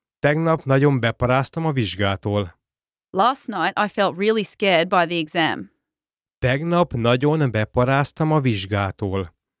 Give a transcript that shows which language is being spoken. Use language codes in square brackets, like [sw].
[hu] Tegnap nagyon beparáztam a vizsgától. [en] Last night I felt really scared by the exam. [hu] Tegnap nagyon beparáztam a vizsgától.